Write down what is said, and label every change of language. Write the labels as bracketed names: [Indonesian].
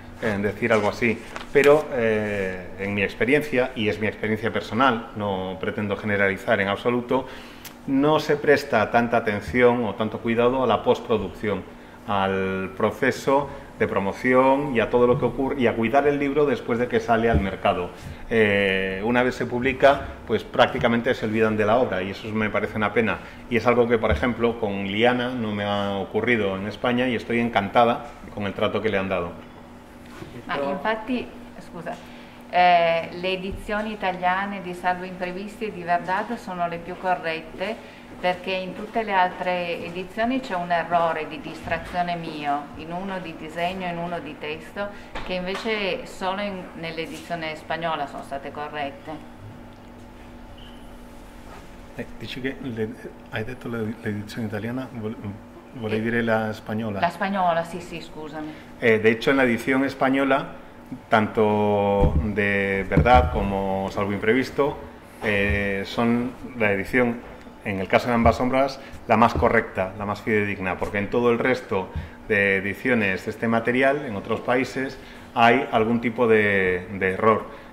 [Spanish] en decir algo así, pero en mi experiencia, y es mi experiencia personal, no pretendo generalizar en absoluto, no se presta tanta atención o tanto cuidado a la postproducción, al proceso de promoción y a todo lo que ocurre, y a cuidar el libro después de que sale al mercado. Una vez se publica, pues prácticamente se olvidan de la obra, y eso me parece una pena. Y es algo que, por ejemplo, con Liana no me ha ocurrido en España, y estoy encantada con el trato que le han dado. [Italian] Infatti, scusa, le edizioni italiane di Salvo Imprevisti di Verdad sono le più corrette, perché in tutte le altre edizioni c'è un errore di distrazione mio, in uno di disegno, in uno di testo, che invece solo nell'edizione spagnola sono state corrette. Dici che hai detto l'edizione italiana, volevi dire la spagnola? La spagnola, sì, sì, scusami. [Spanish] De hecho, en la edición española, tanto de Verdad como Salvo Imprevisto, son la edición, en el caso de ambas obras, la más correcta, la más fidedigna, porque en todo el resto de ediciones de este material, en otros países, hay algún tipo de error.